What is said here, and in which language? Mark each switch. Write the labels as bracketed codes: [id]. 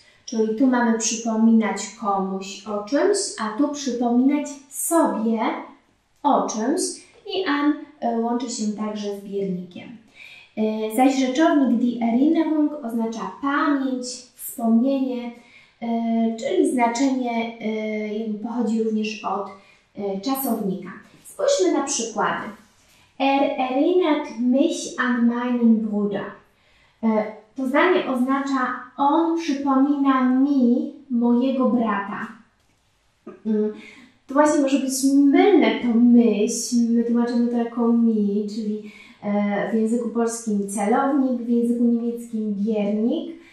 [pl] Czyli tu mamy przypominać komuś o czymś, a tu przypominać sobie o czymś. I an łączy się także z biernikiem. Zaś rzeczownik die Erinnerung oznacza pamięć, wspomnienie, czyli znaczenie pochodzi również od czasownika. Spójrzmy na przykłady. [de] Erinnert mich an meinen Bruder. [pl] To zdanie oznacza on przypomina mi mojego brata. To właśnie może być mylne to mich. My tłumaczymy to jako mi, czyli w języku polskim celownik, w języku niemieckim biernik.